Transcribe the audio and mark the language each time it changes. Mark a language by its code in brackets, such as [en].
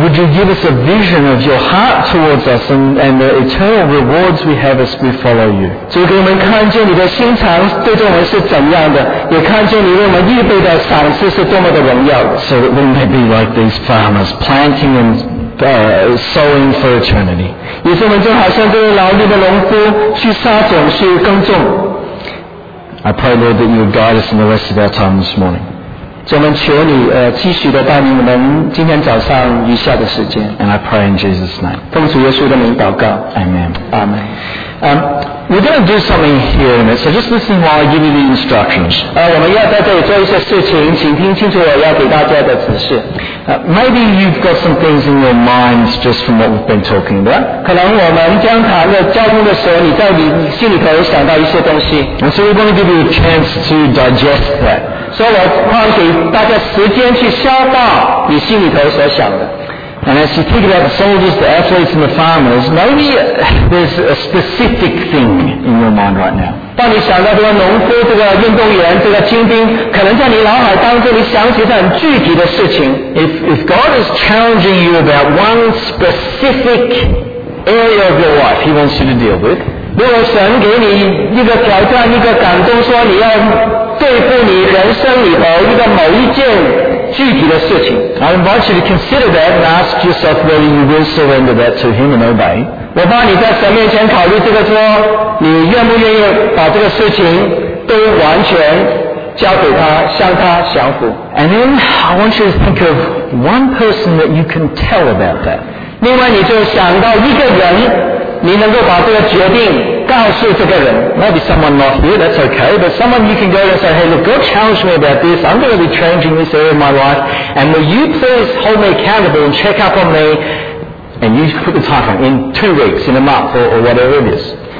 [en] Would you give us a vision of your heart towards us and the eternal rewards we have as we follow you? [zh] 主给我们看见你的心肠对着我们是怎样的，也看见你为我们预备的赏赐是多么的荣耀的。 [en] So that we may be like these farmers, planting and sowing for eternity. [zh] 也是我们就好像这位劳力的农夫去撒种去耕种。 [en] I pray, Lord, that you would guide us in the rest of our time this morning. [zh] 我们求你继续的带领我们今天早上余下的时间。 [en] And I pray in Jesus' name. [zh] 奉主耶稣的名祷告。 [en] Amen. Amen. We're going to do something here in a minute, so just listen while I give you the instructions. [zh] 我们要在这里做一些事情，请听清楚我要给大家的指示。 [en] Maybe you've got some things in your minds just from what we've been talking about. [zh] 可能我们将谈的交通的时候，你在你心里头有想到一些东西。 [en] And so we want to give you a chance to digest that. [zh] 所以我盼给大家时间去消化你心里头所想的。 [en] And as you think about the soldiers, the athletes, and the farmers, maybe there's a specific thing in your mind right now. [zh] 当你想到这个农夫、这个运动员、这个精兵，可能在你脑海当中，你想起很具体的事情。 [en] If God is challenging you about one specific area of your life, He wants you to deal with. [zh] 如果神给你一个挑战、一个感动，说你要对付你人生里头一个某一件具体的事情 [en] I invite you to consider that and ask yourself whether you will surrender that to him and obey [zh] 我怕你在神面前考虑这个说你愿不愿意把这个事情都完全交给他向他降服 [en] And then I want you to think of one person that you can tell about that [zh] 另外你就想到一个人你能够把这个决定告诉这个人 [en] Maybe someone not here, that's okay But someone you can go and say Hey look, God challenged me about this I'm going to be changing this area of my life And will you please hold me accountable And check up on me And you put the time frame in 2 weeks, in a month Or whatever it is